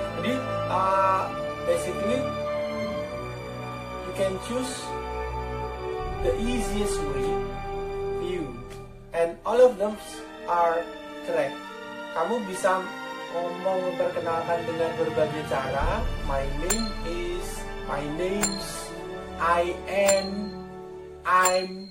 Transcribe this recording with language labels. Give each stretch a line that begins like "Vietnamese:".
English: Jadi, basically, you can choose the easiest way for you. And all of them are correct.
Indonesian: Kamu bisa ngomong memperkenalkan dengan berbagai cara.
English: My name is, my name's, I am, I'm.